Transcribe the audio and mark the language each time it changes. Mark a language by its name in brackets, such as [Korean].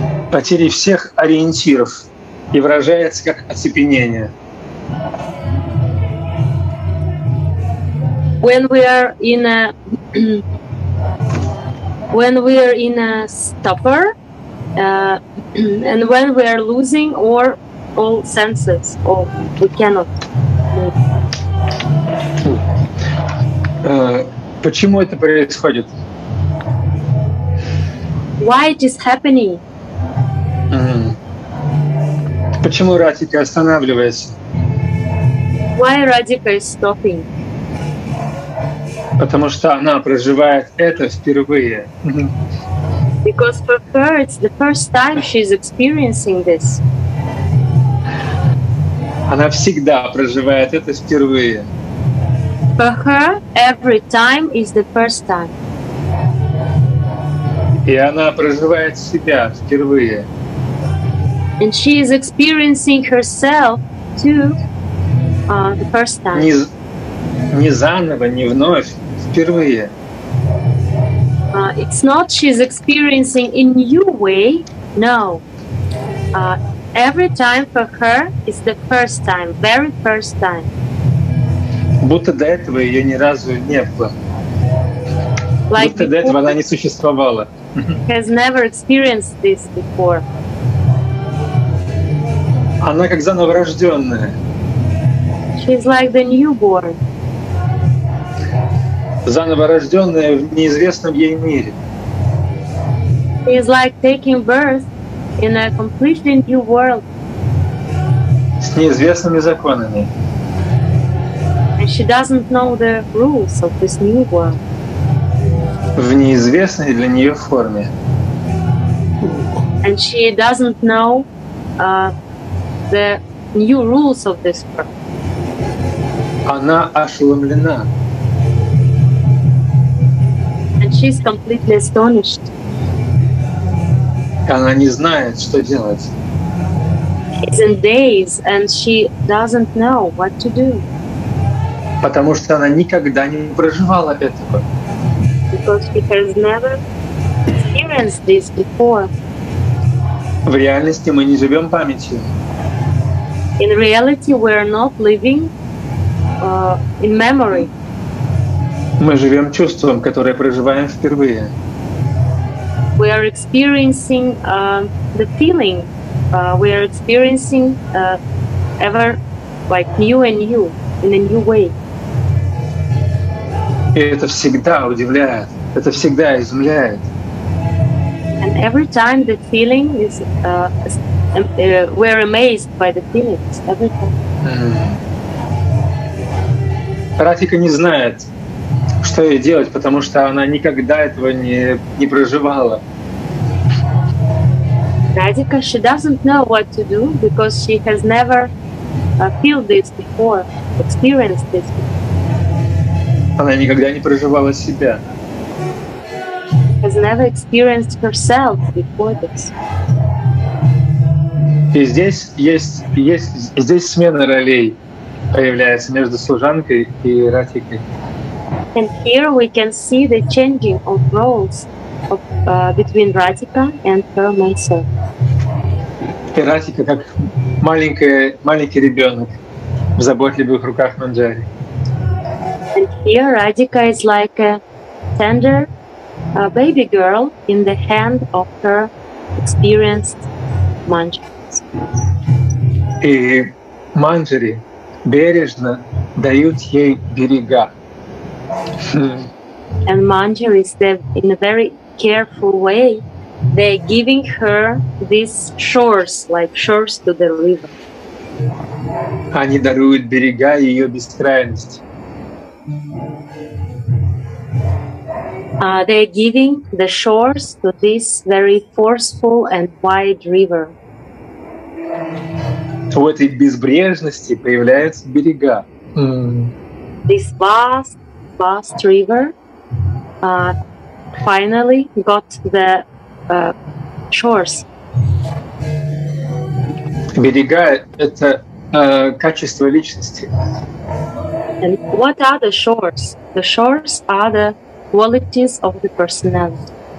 [Russian] Потеря всех ориентиров и выражается как оцепенение. [English] When we are in a stupor, and when we are losing our all senses, or we cannot move. [Russian] Почему это происходит? [English] Why it is happening? [Russian] Почему Радика останавливается? [English] Why Radhika is stopping? [Russian] Потому что она проживает это впервые. [English] Because for her it's the first time she's experiencing this. [Russian] Она всегда проживает это впервые. [English] For her every time is the first time. [Russian] И она проживает себя впервые. [English] And she is experiencing herself too the first time. [Russian] Не заново, не вновь. Впервые. [English] It's not she's experiencing a new way, no. Every time for her is the first time, very first time. [Russian] Будто до этого ее ни разу не было. Like будто до этого она не существовала. [English] Has never experienced this before. [Russian] Она как заново рожденная. [English] She's like the newborn. [Russian] Заново рождённая в неизвестном ей мире. [English] It's like taking birth in a completely new world. [Russian] С неизвестными законами. [English] And she doesn't know the rules of this new world. [Russian] В неизвестной для неё форме. [English] And she doesn't know the new rules of this world. [Russian] Она ошеломлена. [English] She's completely astonished. [Russian] Она не знает, что делать. [English] It's in days, and she doesn't know what to do. [Russian] Потому что она никогда не проживала этого. [English] Because she has never experienced this before. [Russian] В реальности мы не живем памятью. [English] In reality, we are not living in memory. [Russian] Мы живем чувством, которое проживаем впервые. [English] We are experiencing the feeling. We are experiencing ever like new and new in a new way. [Russian] И это всегда удивляет. Это всегда изумляет. [English] And every time the feeling is we are amazed by the feelings every time. [Russian] Радика не знает. Что ей делать, потому что она никогда этого не проживала. [English] Radhika, she doesn't know what to do because she has never felt this before, experienced this. [Russian] Она никогда не проживала себя. [English] Has never experienced herself before this. [Russian] И здесь здесь смена ролей появляется между служанкой и Радхикой. [English] And here we can see the changing of roles of, between Radhika and her maidservant. [Russian] Radhika, как маленький ребенок в заботливых руках Манджари. [English] And here Radhika is like a tender baby girl in the hand of her experienced Manjari. [Russian] И Манджари бережно дают ей берега. [English] And Manjari said in a very careful way, they're giving her these shores, like shores to the river. [Russian] Они даруют берега ее бескрайности. [English] They're giving the shores to this very forceful and wide river. [Russian] В этой безбрежности появляются берега. [English] This vast, vast river finally got the shores. [Russian] Берега — это качество личности. [English] And what are the shores? The shores are the qualities of the personality.